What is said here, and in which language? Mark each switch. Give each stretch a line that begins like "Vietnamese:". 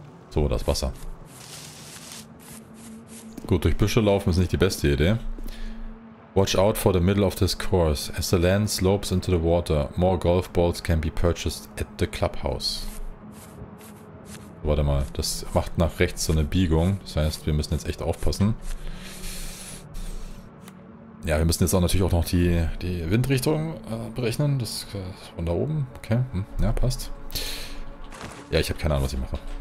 German: So, das Wasser. Gut, durch Büsche laufen ist nicht die beste Idee.
English: Watch out for the middle of this course. As the land slopes into the water, more golf balls can be purchased at the clubhouse.
German: Warte mal, das macht nach rechts so eine Biegung. Das heißt, wir müssen jetzt echt aufpassen. Ja, wir müssen jetzt auch natürlich auch noch die Windrichtung berechnen. Das ist von da oben. Okay, ja, passt. Ja, ich habe keine Ahnung, was ich mache.